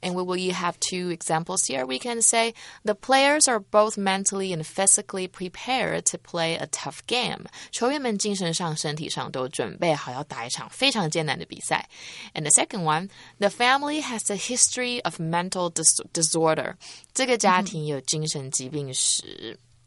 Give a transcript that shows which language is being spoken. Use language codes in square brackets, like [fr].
[en] And we have two examples here. We can say, the players are both mentally and physically physically prepared to play a tough game. [zh] 球员们精神上、身体上都准备好要打一场非常艰难的比赛。 [en] And the second one, the family has a history of mental disorder. [zh] 这个家庭有精神疾病史。